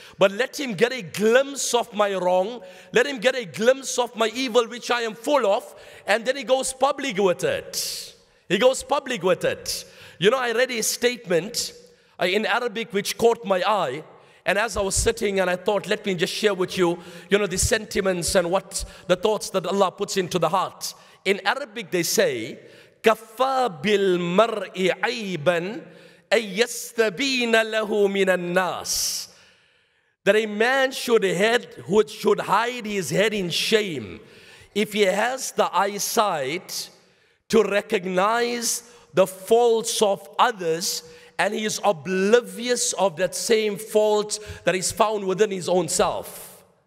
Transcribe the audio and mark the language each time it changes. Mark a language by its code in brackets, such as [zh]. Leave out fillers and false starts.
[en] But let him get a glimpse of my wrong, let him get a glimpse of my evil, which I am full of, and then he goes public with it. He goes public with it. You know, I read a statement in Arabic which caught my eye. And as I was sitting and I thought, let me just share with you, you know, the sentiments and what the thoughts that Allah puts into the heart. In Arabic, they say, [ar] كَفَى بِالْمَرْءِ عَيْبًا أَن يَسْتَبِينَ لَهُ مِنَ النَّاسِ. [en] That a man should hide his head in shame if he has the eyesight to recognize the faults of others and he is oblivious of that same fault that is found within his own self.